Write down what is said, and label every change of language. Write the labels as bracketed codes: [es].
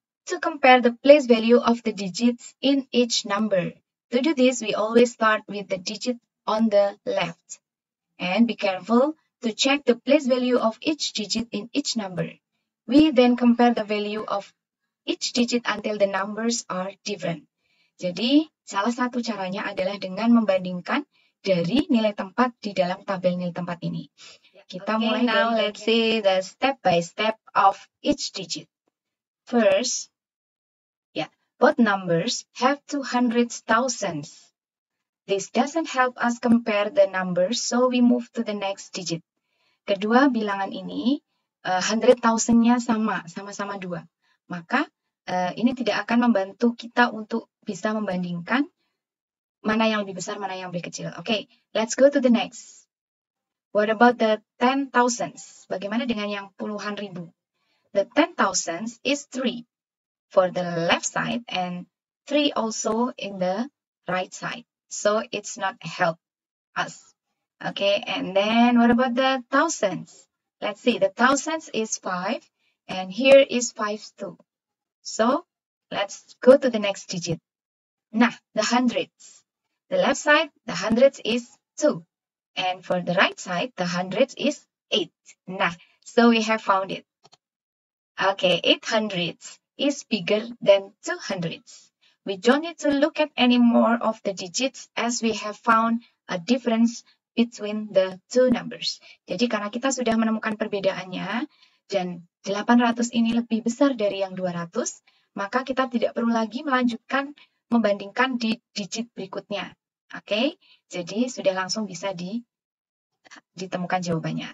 [en] to compare the place value of the digits in each number. To do this, we always start with the digit on the left. And be careful to check the place value of each digit in each number. We then compare the value of each digit until the numbers are different. [id] Jadi, salah satu caranya adalah dengan membandingkan dari nilai tempat di dalam tabel nilai tempat ini. Kita okay, mulai [en] now let's see the step by step of each digit. First, both numbers have 200 thousands. This doesn't help us compare the numbers, so we move to the next digit. [id] Kedua bilangan ini, 100 thousand-nya sama-sama 2. Maka, ini tidak akan membantu kita untuk bisa membandingkan mana yang lebih besar, mana yang lebih kecil. [en] Okay, let's go to the next. What about the 10 thousands? [id] Bagaimana dengan yang puluhan ribu? [en] The 10 thousands is 3 for the left side and 3 also in the right side. So it's not help us. Okay, and then what about the thousands? Let's see, the thousands is 5 and here is 5 too. So let's go to the next digit. Nah, the hundreds. The left side, the hundreds is 2. And for the right side, the hundreds is 8. Nah, so we have found it. Okay, 800 is bigger than 200. We don't need to look at any more of the digits as we have found a difference between the two numbers. [id] Jadi karena kita sudah menemukan perbedaannya dan 800 ini lebih besar dari yang 200, maka kita tidak perlu lagi melanjutkan membandingkan di digit berikutnya. Okay, jadi sudah langsung bisa ditemukan jawabannya.